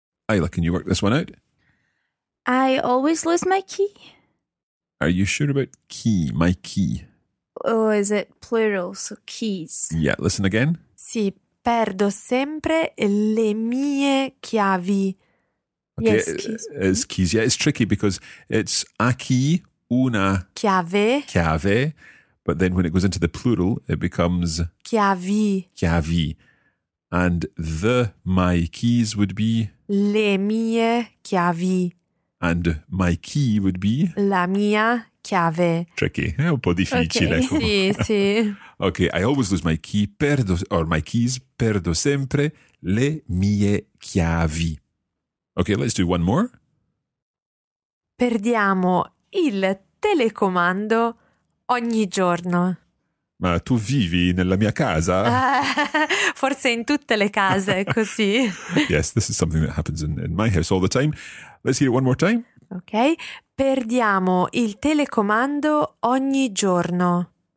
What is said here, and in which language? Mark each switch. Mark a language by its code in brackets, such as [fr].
[en] Ayla, can you work this one out? I always lose my key. Are you sure about key, my key? Oh, is it plural? So keys. Yeah, listen again. [it] Sì. Perdo sempre le mie chiavi. [en] Okay, yes, keys. It's keys. Yeah, it's tricky because it's a key, [it] una chiave. Chiave. [en] But then when it goes into the plural, it becomes [it] chiavi. [en] Chiavi. And the my keys would be [it] le mie chiavi. [en] And my key would be [it] la mia chiave. [en] Tricky. [it] È un po' difficile. Okay. Sì, sì. [en] Okay, I always lose my key, perdo, or my keys, [it] perdo sempre le mie chiavi. [en] Okay, let's do one more. [it] Perdiamo il telecomando ogni giorno. Ma tu vivi nella mia casa? Forse in tutte le case, così. [en] Yes, this is something that happens in my house all the time. Let's hear it one more time. [it] Okay, perdiamo il telecomando ogni giorno.